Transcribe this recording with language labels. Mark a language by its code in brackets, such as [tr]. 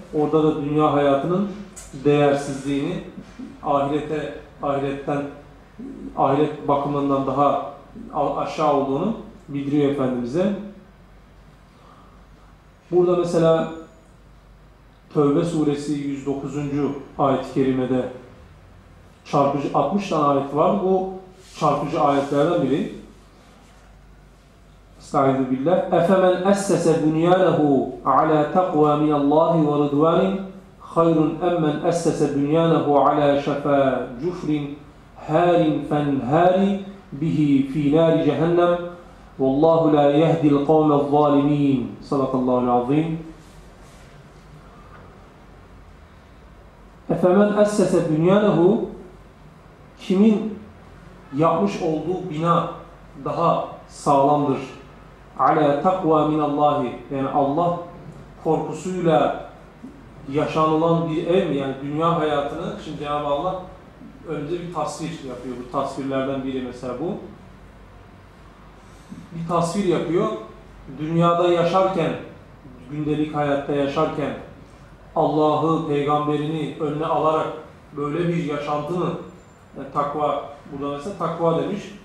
[tr] Orada da dünya hayatının değersizliğini, ahirete, ahiretten, ahiret bakımından daha aşağı olduğunu bildiriyor Efendimiz'e. Burada mesela Tövbe suresi 109. ayet-i kerimede çarpıcı 60 tane ayet var. Bu çarpıcı ayetlerden biri. [ar] Estaizu billah. اَفَمَنْ اَسَّسَ بُنْيَانَهُ عَلَى تَقْوَى مِنَ اللّٰهِ وَرِضْوَانٍ خَيْرٌ اَمَّنْ اَسَّسَ بُنْيَانَهُ عَلَى شَفَى جُفْرٍ هَارٍ فَانْهَارِ بِهِ فِي نَارِ جَهَنَّمٍ وَاللّٰهُ لَا يَهْدِي الْقَوْمَ الظَّالِمِينَ صَدَقَ اللّٰهُ الْعَظِيمِ اَفَمَنْ اَسَّسَ بُنْيَانَهُ, [tr] kimin yapmış olduğu bina daha sağlamdır. [ar] عَلَى تَقْوَى مِنَ اللّٰهِ, [tr] yani Allah korkusuyla yaşanılan bir ev, yani dünya hayatını. Şimdi Cenab-ı Allah önce bir tasvir yapıyor. Bu tasvirlerden biri mesela bu. Bir tasvir yapıyor. Dünyada yaşarken, gündelik hayatta yaşarken Allah'ı, peygamberini önüne alarak böyle bir yaşantını, yani takva, burada mesela takva demiş.